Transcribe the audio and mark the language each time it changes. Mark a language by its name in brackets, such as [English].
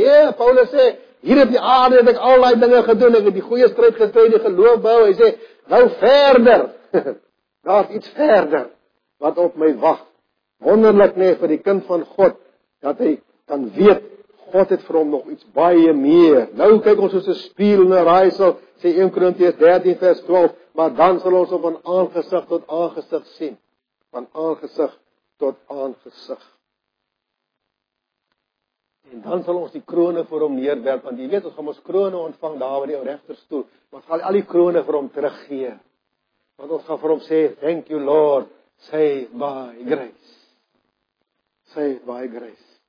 [Afrikaans] Nee, Paulus sê, hier op die aarde het ek allerlei dinge gedoen, ek het die goeie stryd gestry, die geloof bou, hy sê, nou verder, daar is iets verder, wat op my wag. Wonderlik nee, vir die kind van God, dat hy kan weet, God het vir hom nog iets baie meer. Nou kyk ons soos 'n spieël in 'n raaisel, sê 1 Korintiërs 13 vers 12, maar dan sal ons op van aangesig tot aangesig sien. Van aangesig tot aangesig. En dan sal ons die krone vir hom neerwerp, want jy weet, ons gaan ons krone ontvang daar by die regterstoel, maar ons gaan al die krone vir hom teruggee. Want ons gaan vir hom sê, [English] thank you Lord, save by grace. Save by grace.